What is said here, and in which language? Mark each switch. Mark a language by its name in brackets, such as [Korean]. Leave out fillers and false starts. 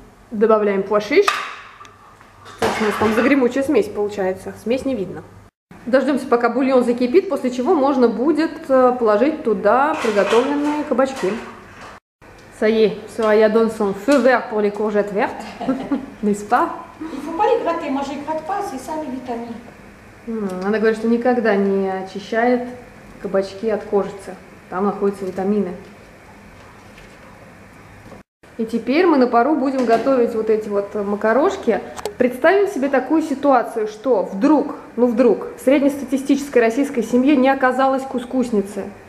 [Russian] Добавляем pois chiches. У нас там загремучая смесь получается. Смесь не видно. Дождемся, пока бульон закипит, после чего можно будет положить туда приготовленные кабачки. [French] Ça y est, Soraya donne son feu vert pour les courgettes vertes, n'est-ce pas? Il ne faut pas les gratter, moi je ne gratte pas, c'est ça les vitamines. [Russian] Она говорит, что никогда не очищает кабачки от кожицы. Там находятся витамины. И теперь мы на пару будем готовить вот эти вот макарошки. Представим себе такую ситуацию, что вдруг, ну вдруг, в среднестатистической российской семье не оказалось кускусницы.